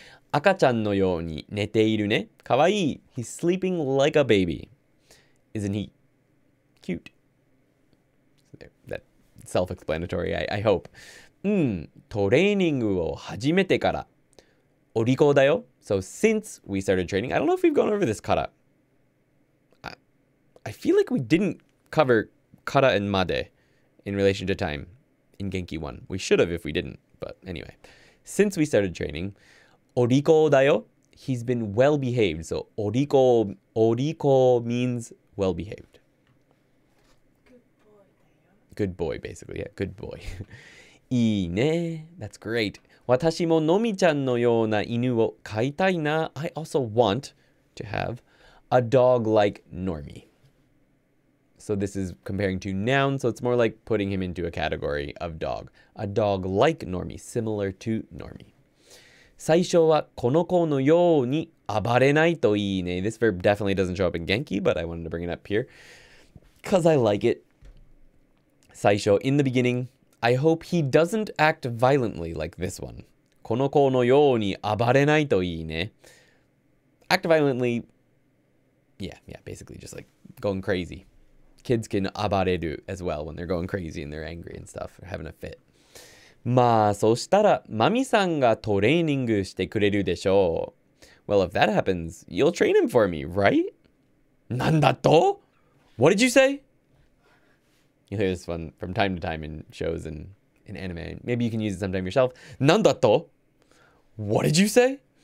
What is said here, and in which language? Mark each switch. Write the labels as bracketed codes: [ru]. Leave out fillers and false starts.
[ja] 赤ちゃんのように寝ているね。かわいい。 [en] He's sleeping like a baby. Isn't he? Cute. So there, that self-explanatory, I hope. [ja] トレーニングを始めてからお利口だよ。 [en] So since we started training, I don't know if we've gone over this kara. I feel like we didn't cover kara and made in relation to time in Genki 1. We should have if we didn't, but anyway. Since we started training, [ja] お利口だよ。 [en] He's been well-behaved. So お利口 means well-behaved. Good boy, basically. Yeah, good boy. [ja] いいね。 [en] That's great. [ja] 私も のみちゃんのような犬を飼いたいな。 [en] I also want to have a dog like Normie. So this is comparing two nouns, so it's more like putting him into a category of dog. A dog like Normie, similar to Normie. [ja] 最初はこの子のように暴れないといいね。 [en] This verb definitely doesn't show up in Genki, but I wanted to bring it up here because I like it. 最初, in the beginning, I hope he doesn't act violently like this one. [ja] この子のように暴れないといいね。 [en] Act violently, yeah, basically just like going crazy. Kids can 暴れる as well when they're going crazy and they're angry and stuff, or having a fit. [ja] まあ、そしたらマミさんがトレーニングしてくれるでしょう。 [en] Well, if that happens, you'll train him for me, right? [ja] なんだと? [en] What did you say? You hear this one from time to time in shows and in anime. Maybe you can use it sometime yourself. [ja] なんだと? [en] What did you say?